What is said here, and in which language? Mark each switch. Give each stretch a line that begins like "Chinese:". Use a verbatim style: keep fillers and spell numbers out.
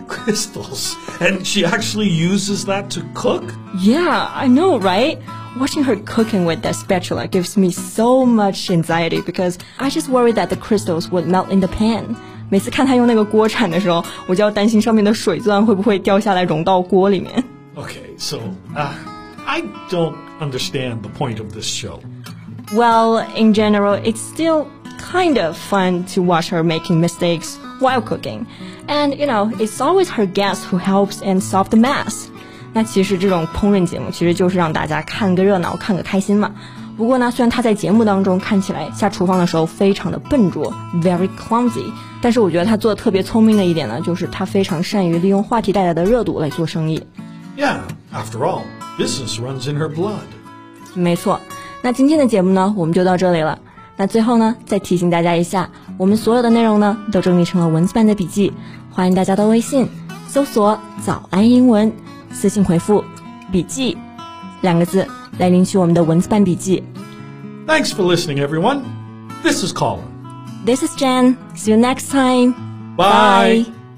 English: Crystals, and she actually uses that to cook? Yeah, I know, right? Watching her cooking with that spatula gives me so much anxiety because I just worry that the crystals would melt in the pan.
Chinese: 每次看她用那个锅铲的时候，我就要担心上面的水钻会不会掉下来融到锅里面。
English: Okay, so, uh, I don't understand the point of this show. Well, in general, it's still kind of fun to watch her making mistakes while cooking. And, you know, it's always her guest who helps and solve the mess.
Chinese: 那其实这种烹饪节目其实就是让大家看个热闹看个开心嘛。不过呢，虽然她在节目当中看起来下厨房的时候非常的笨拙
English: very clumsy,
Chinese: 但是我觉得她做的特别聪明的一点呢，就是她非常善于利用话题带来的热度来做生意。
English: Yeah, after all, business runs in her blood.
Chinese: 没错，那今天的节目呢，我们就到这里了。那最后呢，再提醒大家一下，我们所有的内容呢，都整理成了文字版的笔记，欢迎大家到微信搜索早安英文，私信回复笔记两个字来领取我们的文字版笔记。
English: Thanks for listening, everyone. This is Colin. This is Jen. See you next time. Bye. Bye.